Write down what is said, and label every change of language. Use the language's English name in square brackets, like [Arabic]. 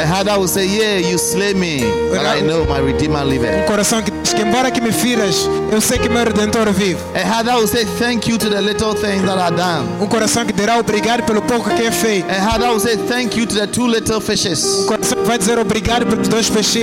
[English] A heart that will say, yeah, you slay me, but I know my Redeemer lives. [Portuguese] Um coração que embora que me firas, eu sei que meu Redentor vive. [English] A heart that will say thank you to the little things that are done. [Portuguese] Um coração que dirá obrigado pelo pouco que é feito. [English] A heart that will say thank you to the two little fishes. [Portuguese] Um coração que vai dizer obrigado pelos dois peixes.